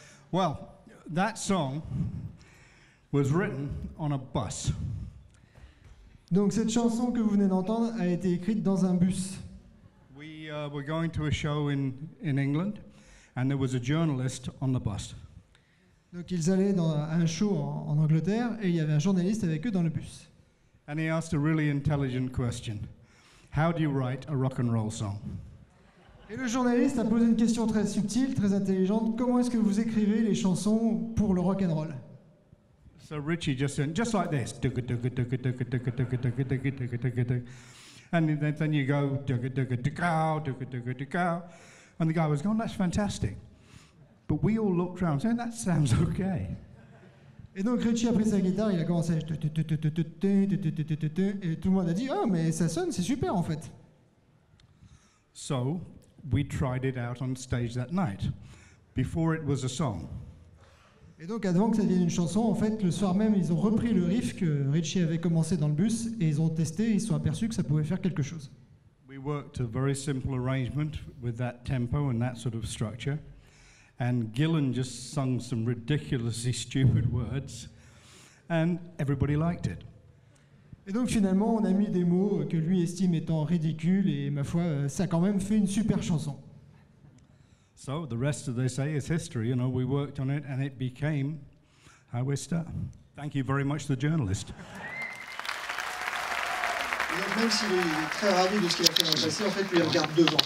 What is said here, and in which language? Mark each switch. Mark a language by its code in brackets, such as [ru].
[en] Well, that song was written on a bus. [fr] Donc cette chanson que vous venez d'entendre a été écrite dans un bus. [en] We're going to a show in England, and there was a journalist on the bus. [fr] Donc ils allaient dans un show en Angleterre et il y avait un journaliste avec eux dans le bus. [en] And he asked a really intelligent question: how do you write a rock and roll song? [fr] Et le journaliste a posé une question très subtile, très intelligente: comment est-ce que vous écrivez les chansons pour le rock and roll? [en] So Richie just said, just like this. And then you go, dugga dugga dugga, dugga dugga dugga. And the guy was going, that's fantastic. But we all looked around saying, that sounds okay. [fr] Et donc Richie a pris sa guitare, il a commencé à... Et tout le monde a dit, oh, mais ça sonne, c'est super en fait. [en] So, we tried it out on stage that night, before it was a song. [fr] Et donc avant que ça devienne une chanson, en fait, le soir même, ils ont repris le riff que Richie avait commencé dans le bus et ils ont testé, ils se sont aperçus que ça pouvait faire quelque chose. [en] We worked a very simple arrangement with that tempo and that sort of structure. And Gillan just sung some ridiculously stupid words and everybody liked it. [fr] Et donc finalement, on a mis des mots que lui estime étant ridicules et ma foi, ça a quand même fait une super chanson. [en] So the rest, as they say, is history. You know, we worked on it, and it became Highway Star. Thank you very much, the journalist. [fr] Même s'il est très ravi de ce qu'il a fait dans le passé, en fait, lui, il regarde devant.